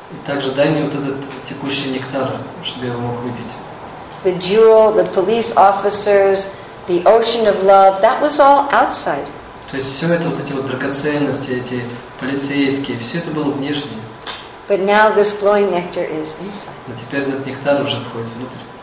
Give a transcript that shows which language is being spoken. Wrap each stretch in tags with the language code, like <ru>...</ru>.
<ru>Также дай мне вот этот текущий нектар, чтобы я его мог выпить.</ru> <en>The jewel, the police officers, the ocean of love—that was all outside.</en> <ru>То есть все это вот эти вот драгоценности, эти полицейские, все это было внешнее.</ru> <en>But now this glowing nectar is inside.</en> <ru>Но теперь этот нектар уже входит внутрь.</ru>